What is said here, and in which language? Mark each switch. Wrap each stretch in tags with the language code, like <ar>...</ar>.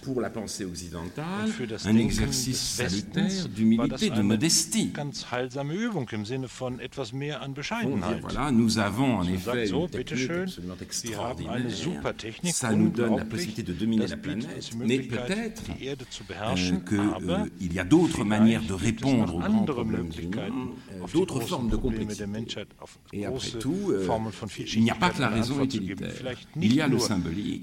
<fr>Pour la pensée occidentale, un exercice salutaire d'humilité, de modestie.</fr> <de>Ganz heilsame Übung im Sinne von etwas mehr an Bescheidenheit.</de> <fr>Voilà, nous avons en effet une absolument extraordinaire. Ça nous donne la possibilité de dominer la planète, mais peut-être qu'il y a d'autres manières de répondre aux grands problèmes du monde, d'autres formes de complexité. Et après tout, il n'y a pas que la raison utilitaire, il y a le symbole.</fr>